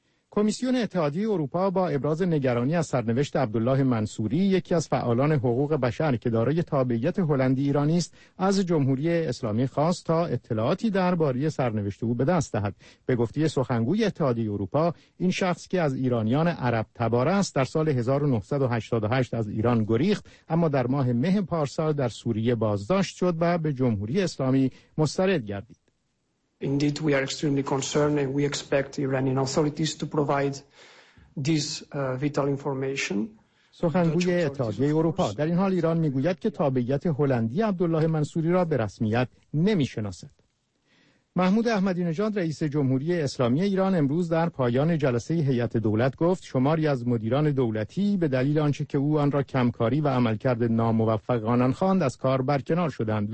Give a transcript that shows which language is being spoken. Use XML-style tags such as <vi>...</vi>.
<fa>کمیسیون اتحادیه اروپا با ابراز نگرانی از سرنوشت عبدالله منصوری، یکی از فعالان حقوق بشر که دارای تابعیت هلندی ایرانی است، از جمهوری اسلامی خواست تا اطلاعاتی درباره سرنوشت او به دست دهد. به گفته سخنگوی اتحادیه اروپا، این شخص که از ایرانیان عرب تبار است، در سال 1988 از ایران گریخت، اما در ماه مه پارسال در سوریه بازداشت شد و به جمهوری اسلامی مسترد گردید.</fa> <en>Indeed, we are extremely concerned and we expect Iranian authorities to provide this vital information.</en> <fa>سخنگوی اتحادیه اروپا در این حال ایران میگوید که تابعیت هلندی عبدالله منصوری را به رسمیت نمیشناسد. محمود احمدی نژاد رئیس جمهوری اسلامی ایران امروز در پایان جلسه هیئت دولت گفت شماری از مدیران دولتی به دلیل آنچه که او آن را کمکاری و عملکرد ناموفقانه خواند از کار برکنار شدند.</fa>